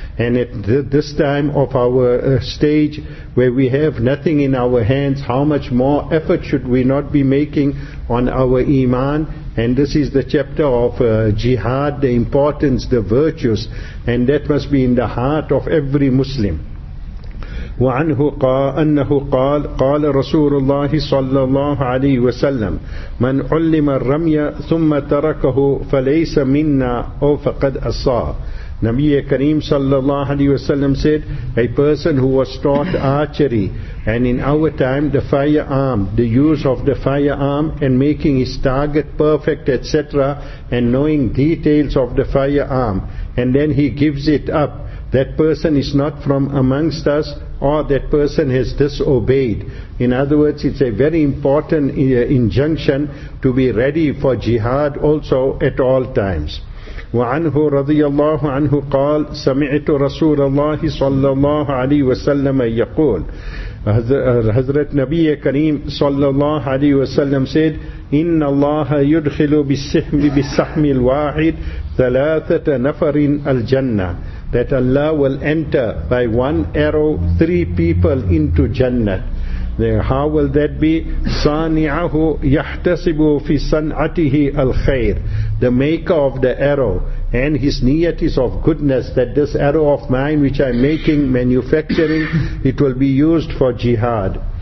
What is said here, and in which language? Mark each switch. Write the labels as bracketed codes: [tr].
[en] And at this time of our stage, where we have nothing in our hands, how much more effort should we not be making on our iman? And this is the chapter of jihad, the importance, the virtues, and that must be in the heart of every Muslim. [ar] وعنه قال أنه قال قال رسول الله صلى الله عليه وسلم من علم الرمي ثم تركه فليس منا أو فقد أصى. [en] Nabi Kareem sallallahu alaihi wasallam said, a person who was taught archery, and in our time the firearm, the use of the firearm and making his target perfect, etc., and knowing details of the firearm, and then he gives it up, that person is not from amongst us, or that person has disobeyed. In other words, it's a very important injunction to be ready for jihad also at all times. [ar] وعنه رضي الله عنه قال سمعت رسول الله صلى الله عليه وسلم يقول. حضرت نبي كريم صلى الله عليه وسلم [en] said, [ar] إن الله يدخل بالسهم الواحد ثلاثة نفر الجنة. [en] That Allah will enter by one arrow three people into Jannah. Then how will that be? [ar] صَانِعَهُ يَحْتَسِبُ فِي صَنْعَتِهِ الْخَيْرِ. [en] The maker of the arrow, and his niyat is of goodness, that this arrow of mine which I'm making, manufacturing, it will be used for jihad.